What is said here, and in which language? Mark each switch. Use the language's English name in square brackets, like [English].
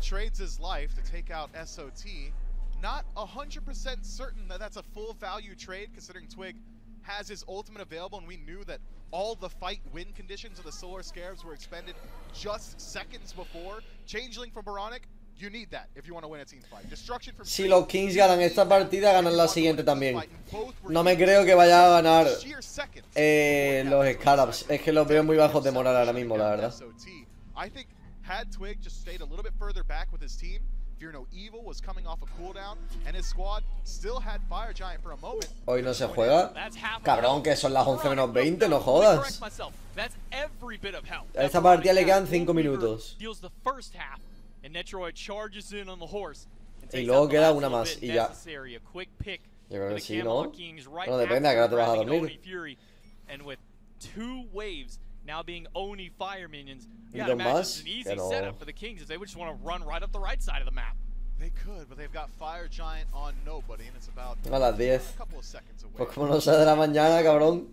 [English] trades his life to take out SOT. Not 100% certain that that's a full value trade, considering Twig has his ultimate available, and we knew that all the fight win conditions of the Solar Scarabs were expended just seconds before. Changeling from Baronic, you need that if you want to win a team fight. Destruction from [Spanish] si los Kings ganan esta partida, ganan la siguiente también. No me creo que vaya a ganar los Scarabs. Es que los veo muy bajos de moral ahora mismo, la verdad. [English] I think had Twig just stayed a little bit further back with his team, Fear No Evil was coming off a cooldown, and his squad still had Fire Giant for a moment. [Spanish] Hoy no se juega. Cabrón, que son las 11 menos 20, no jodas. [English] That's every bit of help. [Spanish] A esta partida le quedan 5 minutos. [English] Deals the first half, and Netroid charges in on the horse. [Spanish] Y luego queda una más, y ya. [English] Necessary. A quick pick. [Spanish] Yo creo que sí, ¿no? Bueno, depende, ¿a qué hora te vas a dormir? [English] And with two waves now being Oni fire minions, you gotta imagine it's an easy setup for the Kings if they would just want to run right up the right side of the map. They could, but they've got Fire Giant on nobody, and it's about [Spanish] a las 10. [English] A couple of seconds away. [Spanish] Pues como no sea de la mañana, cabrón.